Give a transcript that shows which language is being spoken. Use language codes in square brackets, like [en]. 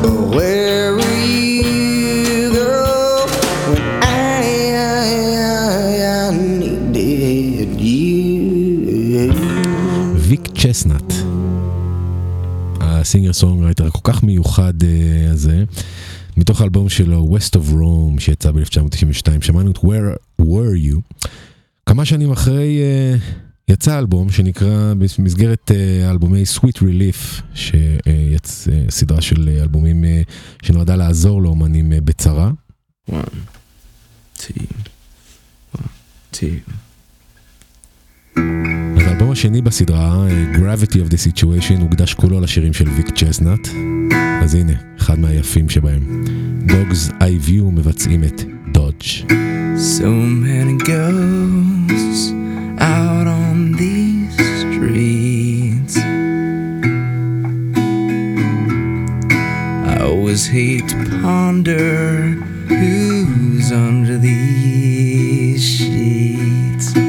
[en] Where were you, girl, when I needed you? [he] Vic Chestnut, הסינגר סונגרייטר כל כך מיוחד הזה, מתוך האלבום שלו West of Rome שיצא ב-1992, שמענו את Where Were You. כמה שנים אחרי יצא אלבום שנקרא במסגרת אלבומי Sweet Relief, סדרה של אלבומים שנועדה לעזור לאומנים בצרה. 1, 2, 1, 2. אז האלבום השני בסדרה, Gravity of the Situation, הוקדש כולו לשירים של Vic Chestnut. אז הנה, אחד מהיפים שבהם, Dogs Eye View, מבצעים את Dodge. [en] So many ghosts out on these streets. I always hate to ponder who's under these sheets.